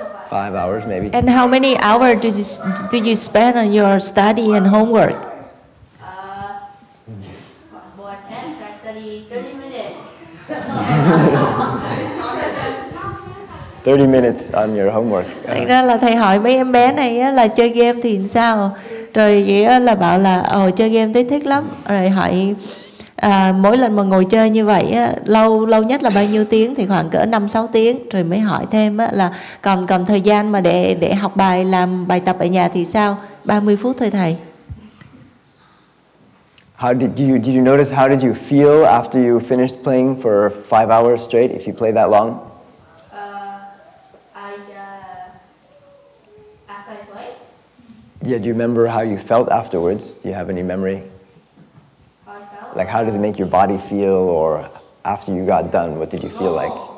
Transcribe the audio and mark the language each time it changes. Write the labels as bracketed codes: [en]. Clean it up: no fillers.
[en] Five hours, maybe. And how many hours do you spend on your study and homework? More 10, actually, 30 minutes. 30 minutes on your homework. [vi] Thành ra là thầy hỏi mấy em bé này á, là chơi game thì sao? Rồi vậy á, là bảo là chơi game thấy thích lắm. Rồi hỏi mỗi lần mà ngồi chơi như vậy á, lâu nhất là bao nhiêu tiếng, thì khoảng cỡ 5-6 tiếng. Rồi mới hỏi thêm á, là còn thời gian mà để học bài, làm bài tập ở nhà thì sao? 30 phút thôi thầy. [en] Did you notice how did you feel after you finished playing for 5 hours straight if you play that long? After I played? Yeah, do you remember how you felt afterwards? Do you have any memory? Like, how does it make your body feel, or after you got done, what did you feel like?